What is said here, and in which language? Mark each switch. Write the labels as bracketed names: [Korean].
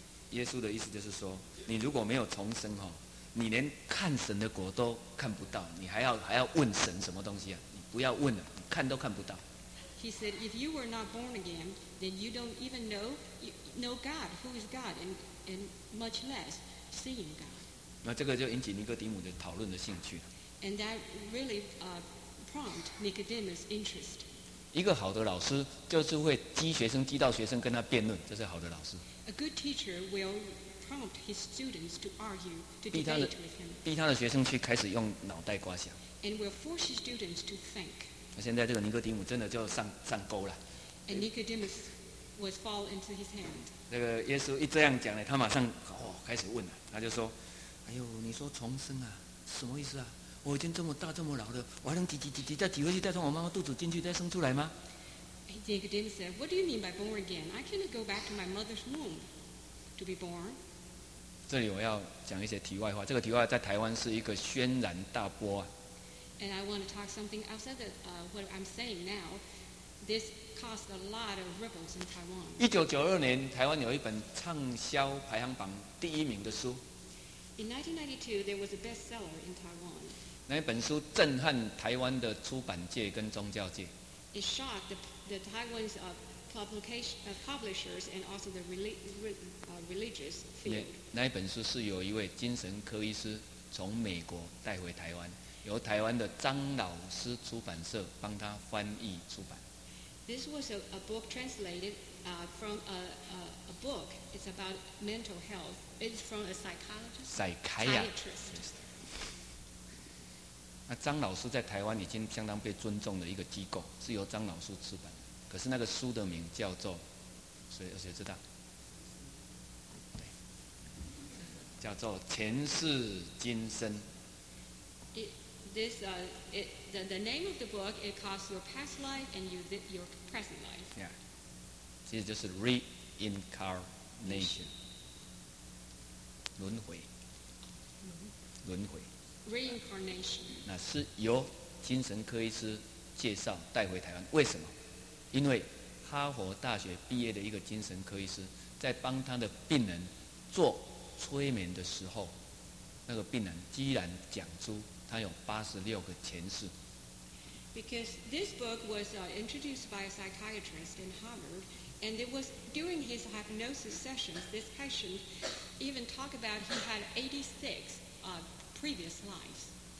[Chinese] 耶稣的意思就是说，你如果没有重生哈，你连看神的果都看不到，你还要问神什么东西啊？你不要问了，你看都看不到。 [English] He said, "If you were not born again, then you don't even know God, who is God, and much less seeing God." [Chinese] 那这个就引起尼哥底母的讨论的兴趣了。 [English] And that really prompted Nicodemus' interest. [Chinese] 一个好的老师就是会激学生，激到学生跟他辩论，这是好的老师。 [English] A good teacher will prompt his students to argue, to debate with him. [Chinese] 逼他的学生去开始用脑袋瓜想。 [English] And will force his students to think. [Chinese] 现在这个尼哥底母真的就上钩了。 [English] And Nicodemus was fall into his hand. [Chinese] 这个耶稣一这样讲呢，他马上开始问了，他就说：“哎呦，你说重生啊，什么意思啊？” 我已经这么大这么老了，我还能挤再挤回去，再从我妈妈肚子进去再生出来吗？ [English] Nicodemus said, "What do you mean by born again? I cannot go back to my mother's womb to be born." [Chinese] 这里我要讲一些题外话，这个题外话在台湾是一个轩然大波啊。 [English] And I want to talk something outside of what I'm saying now. This caused a lot of ripples in Taiwan. [Chinese] 1992年，台湾有一本畅销排行榜第一名的书。 [English] In 1992, there was a bestseller in Taiwan. [Chinese] 那本书震撼台湾的出版界跟宗教界。 [English] It shocked the Taiwan's publishers and also the religious field. [Chinese] 那一本书是由一位精神科医师从美国带回台湾，由台湾的张老师出版社帮他翻译出版。 [English] This was a book translated from a book. It's about mental health. It's from a psychologist. Psychiatrist. [Chinese] 那张老师在台湾已经相当被尊重的一个机构，是由张老师出版的。可是那个书的名叫做，谁知道？对，叫做《前世今生》。 [English] The name of the book it calls your past life and your present life. [Chinese] Yeah， 其实就是 reincarnation， 轮回。 [English] Reincarnation. [Chinese] 那是由精神科医师介绍带回台湾，为什么？因为哈佛大学毕业的一个精神科医师在帮他的病人做催眠的时候，那个病人居然讲出他有86个前世。 [English] Because this book was introduced by a psychiatrist in Harvard, and it was during his hypnosis sessions, this patient even talked about he had 86 previous lives.